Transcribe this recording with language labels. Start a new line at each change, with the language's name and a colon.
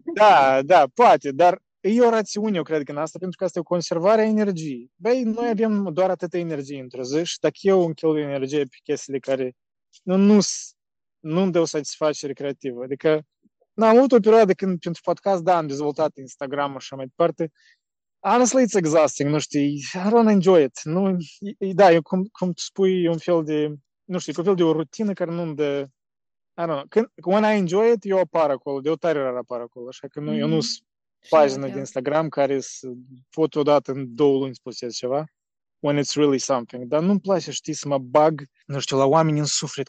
Romanian: Da, da, poate, dar e o rațiune, eu cred că în asta, pentru că asta e o conservare a energiei. Băi, noi avem doar atâta energie într-o zi și dacă eu încheluie energie pe chestiile care nu-mi dă o satisfacere creativă. Adică, am avut o perioadă când pentru podcast, da, am dezvoltat Instagram-ul și mai departe.
English: Honestly, it's exhausting,
Romanian: nu știu,
English: I don't enjoy it.
Romanian: Nu, da, eu cum tu spui, e un fel de, nu știu, un fel de o rutină care nu-mi dă,
English: I don't know, when I enjoy it,
Romanian: eu apar acolo, de o tare rar apar acolo, așa că nu, eu nu-s pagină de Instagram care pot odată în două luni să postez ceva.
English: when it's really something.
Romanian: Dar nu-mi place, știi, să mă bag, nu știu, la oamenii în suflet.